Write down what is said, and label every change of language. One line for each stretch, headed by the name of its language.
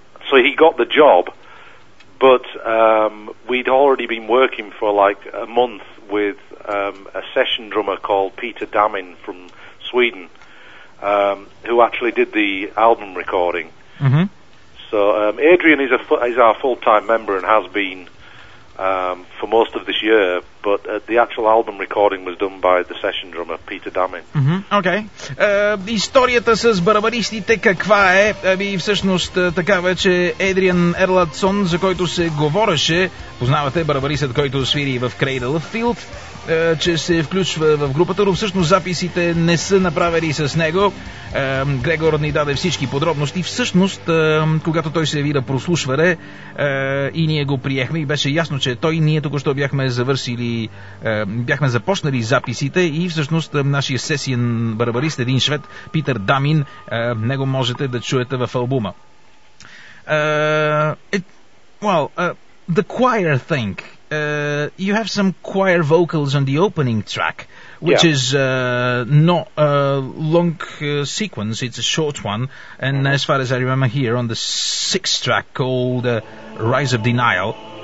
English: So he got the job, but we'd already been working for like a month with a session drummer called Peter Damin from Sweden. Who actually did the album recording. Mm-hmm. So Adrian is our full-time member and has been for most of this year, but the actual album recording was done by the session drummer, Peter Damin. Mm-hmm. Okay.
Bulgarian: Историята с барабанистите каква е? Ами всъщност такава, че Адриан Ерлатсон, за който се говореше, познавате барабанистът, който свири в Cradle of Filth, че се включва в групата, но всъщност записите не са направени с него. Грегор ни даде всички подробности. Всъщност, когато той се яви да прослушване и ние го приехме и беше ясно, че той, ние току-що бяхме започнали записите и всъщност нашия сесиен барабарист, един швед, Питър Дамин, него можете да чуете в албума.
English: The choir thing. You have some choir vocals on the opening track, which is not a long sequence, it's a short one, and as far as I remember here, on the 6th track called Rise of Denial.